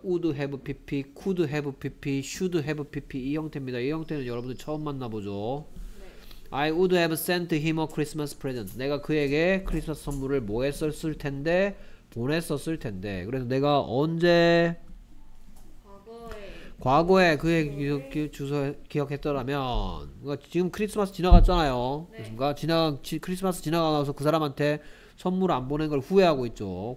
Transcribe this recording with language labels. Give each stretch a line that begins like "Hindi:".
English: would have pp, could have pp, should have pp
Korean: 이 형태입니다. 이 형태는 여러분들 처음 만나보죠. 네.
English: I would have sent him a Christmas present.
Korean: 내가 그에게 크리스마스 선물을 뭐 했었을 텐데? 보냈었을 텐데. 그래서 내가 언제? 과거에 그의 주소 기억했더라면 그러니까 지금 크리스마스 지나갔잖아요. 네. 그러니까 크리스마스 지나가서 그 사람한테 선물 안 보낸 걸 후회하고 있죠.